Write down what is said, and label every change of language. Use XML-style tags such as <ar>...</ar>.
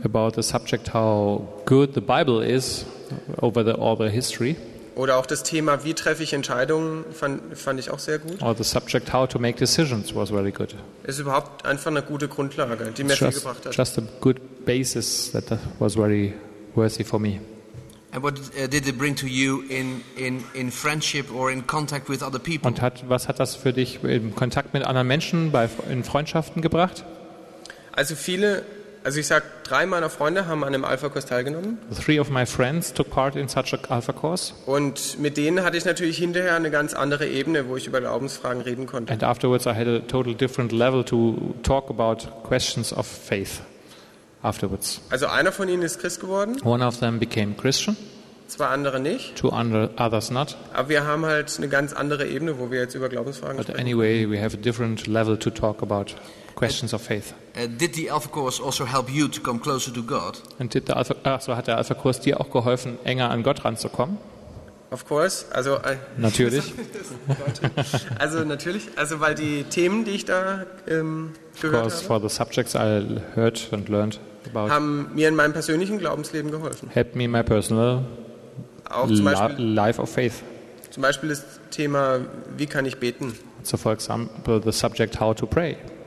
<en>About the subject how good the Bible is over all the history.</en> <de>Oder auch das Thema, wie treffe ich Entscheidungen, fand ich auch sehr gut.</de> <en>Or the subject how to make decisions was very good.</en> <de>Es ist überhaupt einfach eine gute Grundlage, die mir viel gebracht hat.</de> <en>Just a good basis that was very worthy for me. And what did it bring to you in friendship or in contact with other people?</en> <de>Und was hat das für dich im Kontakt mit anderen Menschen in Freundschaften gebracht? Also viele, also ich sag, 3 meiner Freunde haben an einem Alpha-Kurs teilgenommen.</de> <en>3 of my friends took part in such a Alpha-Course.</en> <de>Und mit denen hatte ich natürlich hinterher eine ganz andere Ebene, wo ich über Glaubensfragen reden konnte.</de> <en>And afterwards I had a total different level to talk about questions of faith. Afterwards.</en> <de>Also einer von ihnen ist Christ geworden.</de> <en>One of them became Christian.</en> <de>2 andere nicht. 2 andere,</de> <en>others not.</en> <de>Aber wir haben halt eine ganz andere Ebene, wo wir jetzt über Glaubensfragen</de> <en>but</en> <de>sprechen.</de> <en>But anyway, we have a different level to talk about questions of faith. Did the Alpha Course also help you to come closer to God? And did the Alpha,</en> <de>so hat der Alpha Kurs dir auch geholfen, enger an Gott ranzukommen?</de> <en>Of course, also</en> <de>natürlich. Also natürlich, also weil die Themen, die ich da gehört habe.</de> <en>Of course, for the subjects I heard and learned. About</en> <de>haben mir in meinem persönlichen Glaubensleben geholfen.</de> <en>Helped me in my personal</en> <de>auch zum Beispiel,</de> <en>life of faith.</en> <de>Zum Beispiel das Thema, wie kann ich beten?</de> <en>So for example, the subject how to pray.</en>